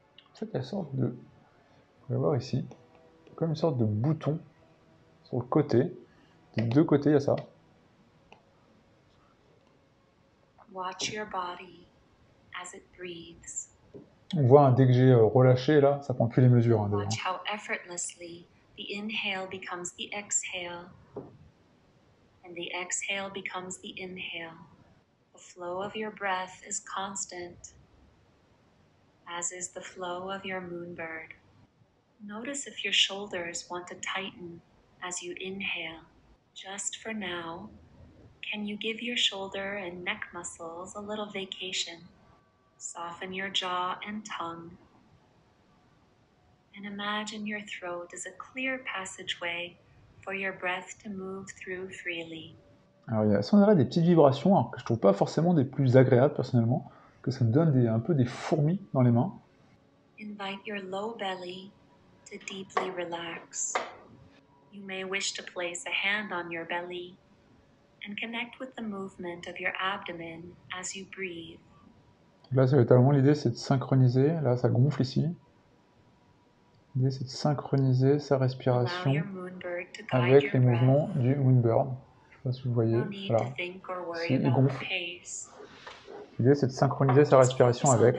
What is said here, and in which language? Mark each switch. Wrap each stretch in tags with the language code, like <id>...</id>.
<fr>En fait, il y a une sorte de, vous pouvez voir ici, comme une sorte de bouton sur le côté, des deux côtés, il y a ça.</fr> <en>Watch your body as it breathes.</en> <fr>On voit hein, dès que j'ai relâché là, ça prend plus les mesures. Hein, devant.</fr> <en>Watch how effortlessly the inhale becomes the exhale. And the exhale becomes the inhale. The flow of your breath is constant, as is the flow of your moonbird. Notice if your shoulders want to tighten as you inhale. Just for now, can you give your shoulder and neck muscles a little vacation? Soften your jaw and tongue. And imagine your throat is a clear passageway for your breath to move through freely.</en> <fr>Alors, il y a sans arrêt des petites vibrations hein, que je trouve pas forcément des plus agréables personnellement, que ça me donne un peu des fourmis dans les mains.</fr> <en>Invite your low belly to deeply relax. You may wish to place a hand on your belly and connect with the movement of your abdomen as you breathe.</en> <fr>Là, c'est véritablement l'idée, c'est de synchroniser. Là, ça gonfle ici. L'idée, c'est de synchroniser sa respiration avec les mouvements du moonbird. Je ne sais pas si vous voyez. Voilà. Si il gonfle. L'idée, c'est de synchroniser sa respiration avec.</fr>